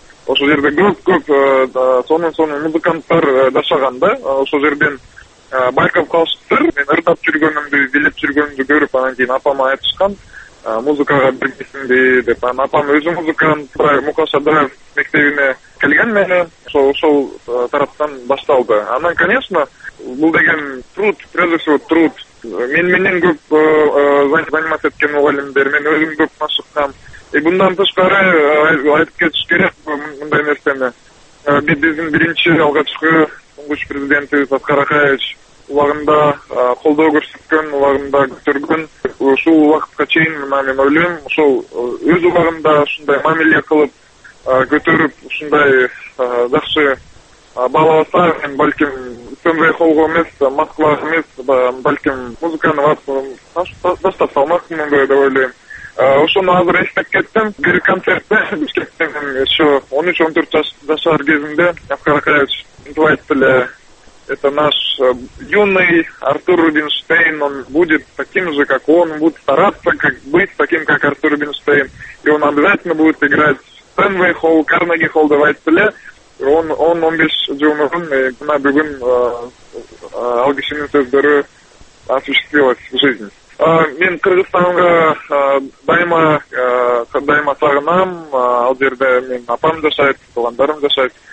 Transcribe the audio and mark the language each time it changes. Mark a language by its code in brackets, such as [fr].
[ky] Ошол жерде көп сонун музыканттар жашаган да. Ошол жерден байкап калышыптыр. Мен ырдап жүргөнүмдү, билип жүргөнүмдү көрүп, анан кийин апама айтышкан музыкага бирмисиңби деп. Анан апам өзү музыкант, Мукаш Адаев мектебине келген мени. Ошол тараптан башталды. Анан, конечно, бул деген труд, [ru] прежде всего труд. [ky] Мен менен көп заниматься эткен мугалимдер, мен өзүм көп машыккам. Бундан тышкары айтып кетиш керек мындай нерсени. Биздин биринчи алгачкы тунгуч президентибиз Аскар Акаевич убагында колдоо көрсөткөн, убагында көтөргөн. Ушул убакытка чейин мен ойлойм, ошол өз убагында ушундай мамиле кылып көтөрүп, ушундай жакшы баалабаса, мен балким Стенвей холго эмес, Москвага эмес, балким музыканы баштап салмакмын деп ойлойм. Ошону азыр эстеп кеттим. Бир концертте Бишкекте мен еще 13-14 жашар кезимде Аскар Акаевич мынтип айтты эле: [ru] это наш юный Артур Рубинштейн, он будет таким же, как он, будет стараться как быть таким, как Артур Рубинштейн, и он обязательно будет играть в Стенвей холл, Карнеги холл, давайте теле. [ky] Он 10-15 жыл мурун мына бүгүн ал кишинин сөздөрү [ru] осуществилась в жизни. [ky] Мен Кыргызстанга дайыма сагынып анам, ал жерде мен апам жашайт, туугандарым жашайт.